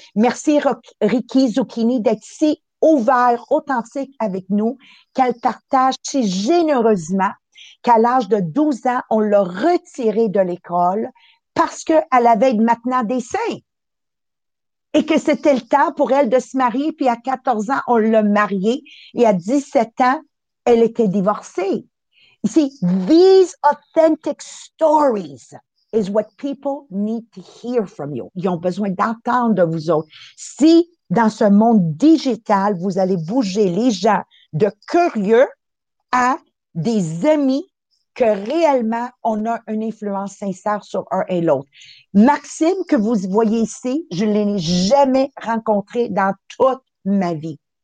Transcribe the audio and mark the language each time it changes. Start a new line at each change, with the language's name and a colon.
French: Merci Ricky Zucchini d'être si ouvert, authentique avec nous, qu'elle partage si généreusement qu'à l'âge de 12 ans, on l'a retirée de l'école parce qu'elle avait maintenant des seins et que c'était le temps pour elle de se marier. Puis à 14 ans, on l'a mariée et à 17 ans, elle était divorcée.
English: You see, these authentic stories is what people need to hear from you.
French: Ils ont besoin d'entendre de vous autres. Si dans ce monde digital, vous allez bouger les gens de curieux à des amis que réellement on a une influence sincère sur un et l'autre. Maxime, que vous voyez ici, je ne l'ai jamais rencontré dans toute ma vie.